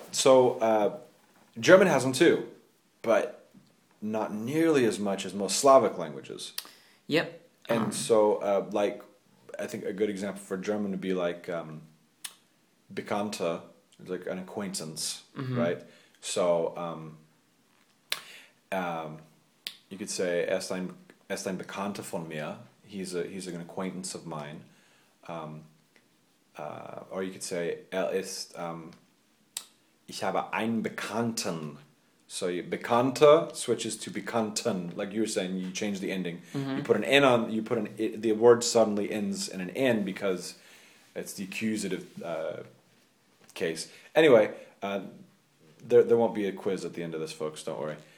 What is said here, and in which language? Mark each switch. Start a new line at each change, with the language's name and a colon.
English: So German has them too, but... not nearly as much as most Slavic languages. Yep. And so, like, I think a good example for German would be like Bekannter, like an acquaintance, mm-hmm. right? So, you could say
German: er ist ein Bekannter von mir.
English: He's an acquaintance of mine. Or you could say
German: ich habe einen Bekannten.
English: So Bekannter switches to Bekannten, like you were saying. You change the ending. Mm-hmm. The word suddenly ends in an N because it's the accusative case. Anyway, there won't be a quiz at the end of this, folks. Don't worry.